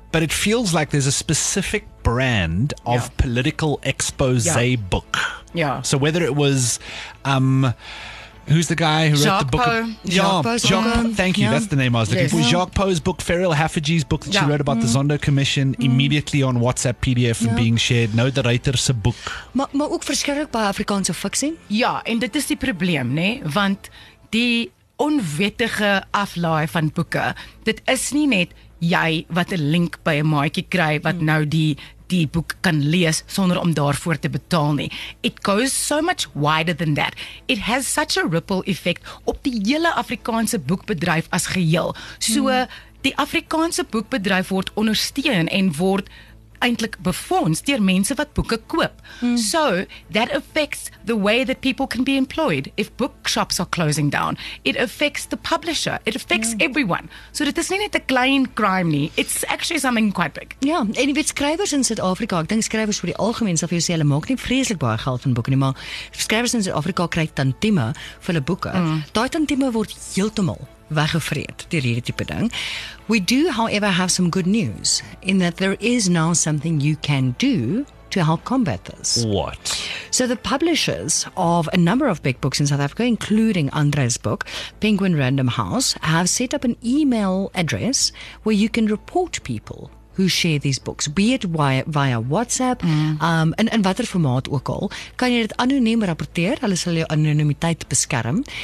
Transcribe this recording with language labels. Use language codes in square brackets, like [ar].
[en] But it feels like there's a specific brand of political expose book. Yeah. So whether it was, who's the guy who Jacques wrote the book? Jacques Poe. That's the name I was looking for. Jacques Poe's book, Ferial Haffagie's book that she wrote about the Zondo Commission, immediately on WhatsApp PDF and being shared. No, the writer's a book. [af] Maar ook verskriklik baie Afrikaanse fiksie. Ja, en dit is die probleem, né? Want die onwettige aflaai van boeke, dit is nie net jy wat 'n link by 'n maatjie kry wat nou die boek kan lees sonder om daarvoor te betaal nie. [en] It goes so much wider than that. It has such a ripple effect [af] op die hele Afrikaanse boekbedryf as geheel. So die Afrikaanse boekbedryf word ondersteun en word eintlik befonds deur mense wat boeke koop. [en] So that affects the way that people can be employed. If bookshops are closing down, it affects the publisher, it affects everyone. [af] So dit is nie net 'n klein crime nie, [en] it's actually something quite big. [af] Ja, en jy weet, skrywers in Suid-Afrika, ek dink skrywers vir die algemeen sal vir jou sê, hulle maak nie vreeslik baie geld van boeke nie, maar skrywers in Suid-Afrika kry tantieme vir hulle boeke. Daai tantieme word heeltemal weggevreed deur hierdie tipe ding. [en] We do, however, have some good news in that there is now something you can do to help combat this. What? So the publishers of a number of big books in South Africa, including Andre's book, Penguin Random House, have set up an email address where you can report people who share these books, be it via WhatsApp, [af] in watter formaat ook al, kan jy dit anoniem rapporteer, hulle sal jou anonimiteit beskerm.